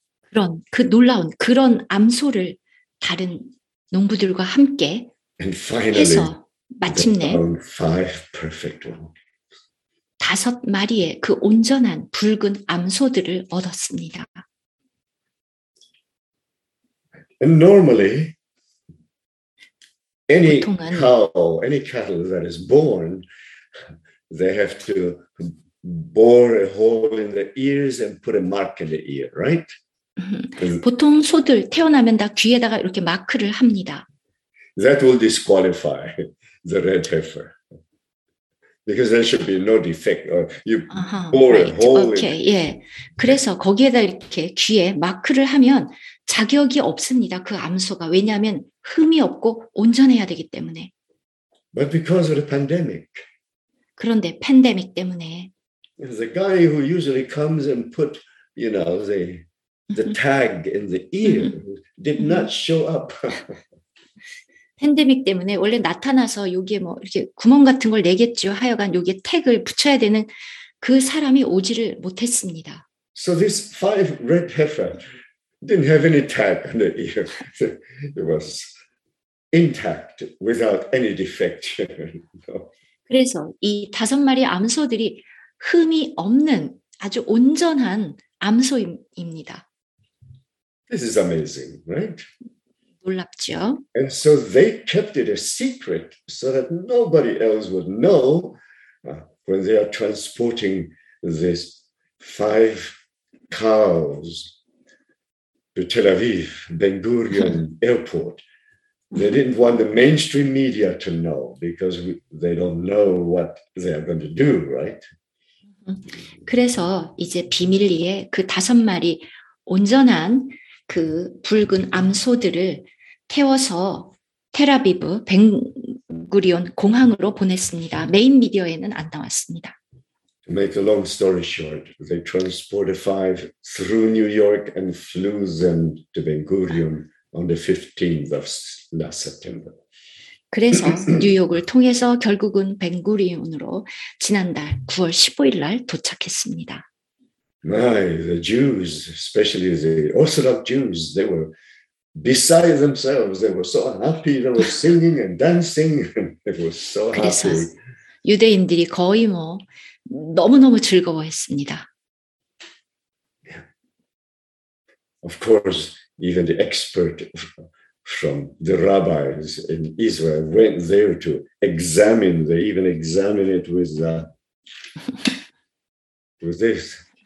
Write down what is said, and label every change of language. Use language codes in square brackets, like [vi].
[ko] 그런 그 놀라운 그런 암소를 다른 농부들과 함께 [en] And finally, [ko] 해서 마침내 [en] five perfect ones. [ko] 다섯 마리의 그 온전한 붉은 암소들을 얻었습니다. [en] And normally any cattle that is born They have to bore a hole in the ears and put a mark in the ear, right? [ko] 보통 소들 태어나면 다 귀에다가 이렇게 마크를 합니다. [en] That will disqualify the red heifer. Because there should be no defect. Or you bore right. a hole okay. in the ear. 예. [ko] 그래서 거기에다 이렇게 귀에 마크를 하면 자격이 없습니다. 그 암소가. 왜냐하면 흠이 없고 온전해야 되기 때문에. [en] But because of the pandemic. [ko] 그런데 팬데믹 때문에 [en] the guy who usually comes and put you know the tag in the ear did not show up. [ko] 팬데믹 때문에 원래 나타나서 여기에 뭐 이렇게 구멍 같은 걸 내겠죠. 하여간 여기에 태그를 붙여야 되는 그 사람이 오지를 못했습니다. [en] So this five red heifer didn't have any tag on the ear. It was intact without any defect. No. [ko] 그래서 이 다섯 마리 암소들이 흠이 없는 아주 온전한 암소입니다. [en] This is amazing, right? [ko] 놀랍죠. [en] And so they kept it a secret so that nobody else would know when they are transporting these five cows to Tel Aviv, Ben Gurion Airport. They didn't want the mainstream media to know because they don't know what they are going to do, right? [ko] 그래서 이제 비밀리에 그 다섯 마리 온전한 그 붉은 암소들을 태워서 테라비브 벵구리온 공항으로 보냈습니다. 메인 미디어에는 안 나왔습니다. [en] To make a long story short, they transported five through New York and flew them to Ben-Gurion on the 15th of last September. [ko] 그래서 뉴욕을 통해서 결국은 벵구리온으로 지난달 9월 15일 날 도착했습니다. [en] My, the Jews, especially the Orthodox Jews, they were beside themselves. They were so happy. They were singing and dancing. They were so happy. [ko] 그래서 유대인들이 거의 뭐 너무너무 즐거워했습니다. [en] Yeah. Of course, even the expert from the rabbis in Israel went there to examine. They even examined it with this.